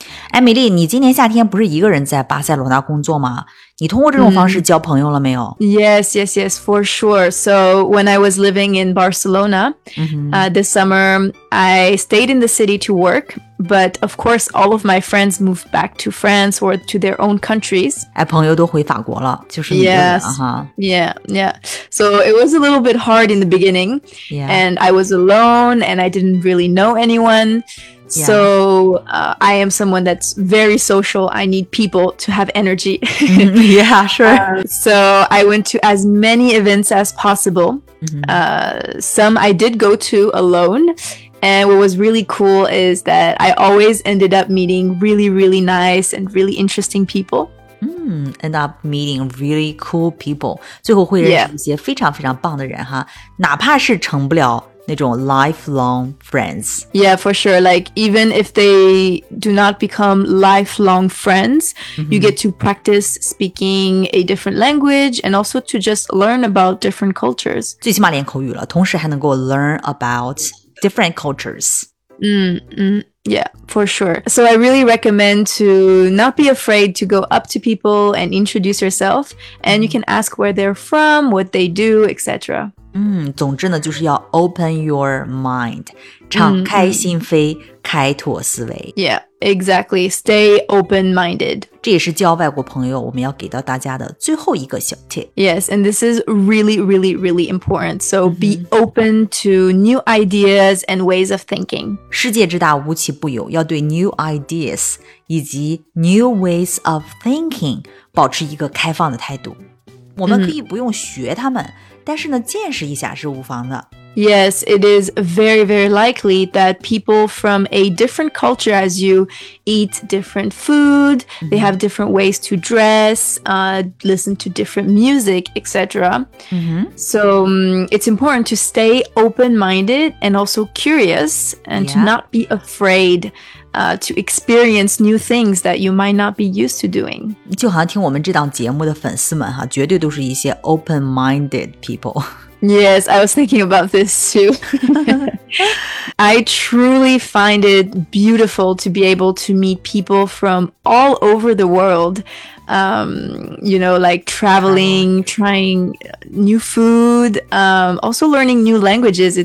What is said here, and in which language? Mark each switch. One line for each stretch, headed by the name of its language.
Chinese: 艾米丽，你今年夏天不是一个人在巴塞罗那工作吗？你通过这种方式交朋友了没有？
English: Yes, yes, yes, for sure. So when I was living in Barcelona, this summer, I stayed in the city to work. But of course, all of my friends moved back to France or to their own countries.
Chinese: 哎，朋友都回法国了，就是你一个人哈。
English: Yeah, yeah. So it was a little bit hard in the beginning. Yeah. And I was alone and I didn't really know anyone. Yeah. So, I am someone that's very social. I need people to have energy. yeah, sure. So, I went to as many events as possible. Some I did go to alone. And what was really cool is that I always ended up meeting really, really nice and really interesting people. End up meeting really cool people.
Chinese: 最后会认识一些非常非常棒的人哈，哪怕是成不了那种
English: lifelong friends. Yeah, for sure. Like, even if they do not become lifelong friends, you get to practice speaking a different language and also to just learn about different cultures.
Chinese: 最起码练口语了，同时还能够
English: learn about different cultures. Yeah, for sure. So I really recommend to not be afraid to go up to people and introduce yourself, and you can ask where they're from, what they do, etc.
Chinese: 总之呢就是要
English: open your mind,
Chinese: 敞开心扉开拓思维。
English: Yeah, exactly, stay open-minded.
Chinese: 这也是交外国朋友我们要给到大家的最后一个小 tip.
English: Yes, and this is really, really, really important. So be open to new ideas and ways of thinking.
Chinese: 世界之大无奇不有，要对
English: new ideas
Chinese: 以及
English: new ways of thinking
Chinese: 保持一个开放的态度。我们可以不用学他们，但是呢，见识一下是无妨的。
English: Yes, it is very, very likely that people from a different culture as you eat different food, they have different ways to dress, listen to different music, etc. So, it's important to stay open-minded and also curious and to not be afraid, to experience new things that you might not be used to doing.
Chinese: 就好像听我们这档节目的粉丝们哈，绝对都是一些
English: open-minded people. Yes, I was thinking about this too. I truly find it beautiful to be able to meet people from all over the world. You know, like traveling, trying new food, also learning new languages.